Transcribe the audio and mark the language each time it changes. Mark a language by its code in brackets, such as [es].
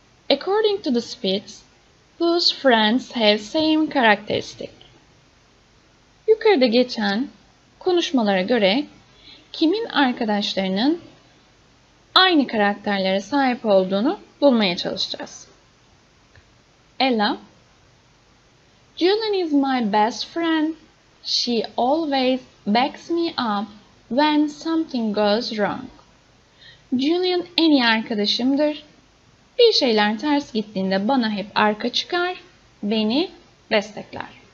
[en] According to the speech, whose friends have same characteristic? [tr] Yukarıda geçen konuşmalara göre kimin arkadaşlarının aynı karakterlere sahip olduğunu bulmaya çalışacağız. [en] Ella, Julian is my best friend. She always backs me up when something goes wrong. [tr] Julian en iyi arkadaşımdır. Bir şeyler ters gittiğinde bana hep arka çıkar, beni destekler.